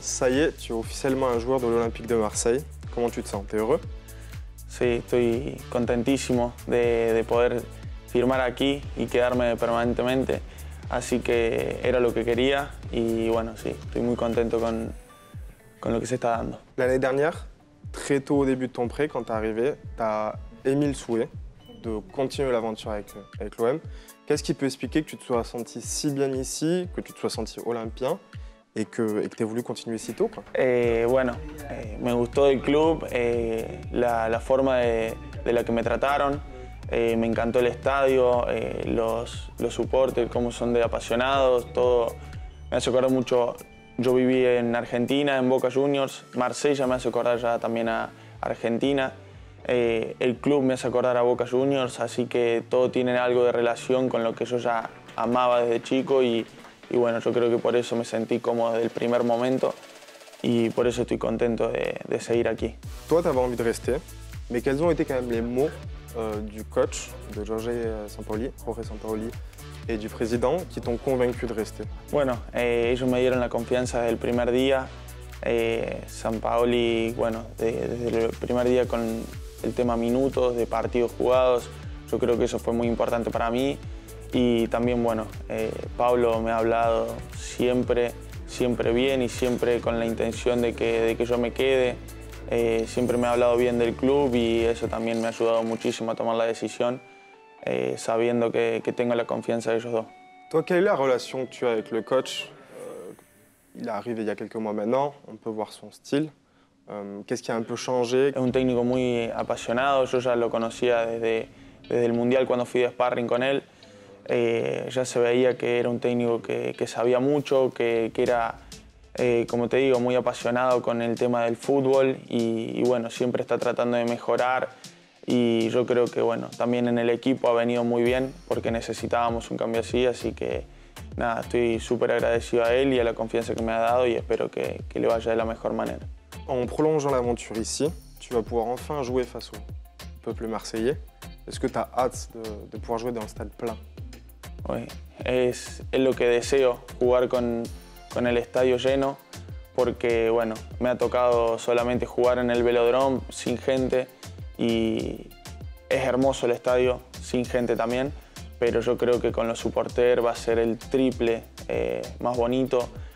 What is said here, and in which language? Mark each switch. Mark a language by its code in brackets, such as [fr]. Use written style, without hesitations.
[fr] Ça y est, tu es officiellement un joueur de l'Olympique de Marseille. Comment tu te sens? T'es heureux? [es] Sí, estoy contentísimo de poder firmar aquí y quedarme permanentemente. Así que era lo que quería y bueno, sí, estoy muy contento con lo que se está dando. [fr] L'année dernière, très tôt au début de ton prêt, quand t'es arrivé, t'as émis le souhait de continuer l'aventure avec l'OM. Qu'est-ce qui peut expliquer que tu te sois senti si bien ici, que tu te sois senti olympien et que t'aies voulu continuer si tôt, quoi? [es] Me gustó el club, la forma de la que me trataron, me encantó el estadio, los soportes, cómo son de apasionados, todo. Me hace acordar mucho, yo viví en Argentina, en Boca Juniors, Marsella me hace acordar ya también a Argentina, el club me hace acordar a Boca Juniors, así que todo tiene algo de relación con lo que yo ya amaba desde chico y bueno, yo creo que por eso me sentí cómodo desde el primer momento. Y por eso estoy contento de seguir aquí. [fr] Toi, tu avais envie de rester, mais quels ont été quand même les mots du coach, de Jorge Sampaoli, et du président qui t'ont convaincu de rester? [es] Bueno, ellos me dieron la confianza desde el primer día. Sampaoli, bueno, desde el primer día con el tema minutos, de partidos jugados, yo creo que eso fue muy importante para mí. Y también, bueno, Pablo me ha hablado siempre. Siempre bien y siempre con la intención de que yo me quede. Siempre me ha hablado bien del club y eso también me ha ayudado muchísimo a tomar la decisión, sabiendo que tengo la confianza de ellos dos. [fr] Toi, quelle est la relation que tu as avec le coach? Il est arrivé il y a quelques mois maintenant, on peut voir son style. Qu'est-ce qui a un peu changé? [es] Es un técnico muy apasionado, yo ya lo conocía desde el Mundial cuando fui de sparring con él. Ya se veía que era un técnico que sabía mucho, que era, como te digo, muy apasionado con el tema del fútbol y bueno, siempre está tratando de mejorar y yo creo que bueno, también en el equipo ha venido muy bien porque necesitábamos un cambio así que nada, estoy súper agradecido a él y a la confianza que me ha dado y espero que le vaya de la mejor manera. [fr] En prolongeant l'aventure ici, tu vas pouvoir enfin jouer face au peuple marseillais. Est-ce que tu as hâte de pouvoir jouer dans un stade plein? Oui, [es] es lo que deseo, jugar con el estadio lleno, porque bueno, me ha tocado solamente jugar en el velodrome sin gente y es hermoso el estadio sin gente también, pero yo creo que con los supporters va a ser el triple más bonito.